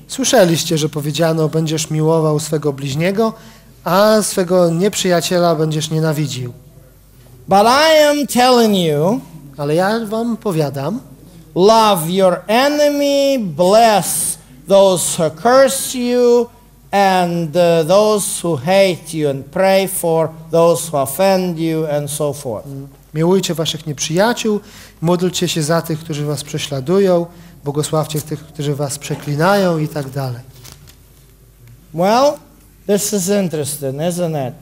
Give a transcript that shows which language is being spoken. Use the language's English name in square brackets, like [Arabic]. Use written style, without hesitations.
[Polish] Słyszeliście, że powiedziano, będziesz miłował swego bliźniego, a swego nieprzyjaciela będziesz nienawidził. [English] But I am telling you, [Polish] ale ja wam powiadam, [English] love your enemy, bless those who curse you, and those who hate you, and pray for those who offend you, and so forth. [Polish] Miłujcie waszych nieprzyjaciół, módlcie się za tych, którzy was prześladują, błogosławcie tych, którzy was przeklinają, i tak dalej. [English] Well, this is interesting, isn't it?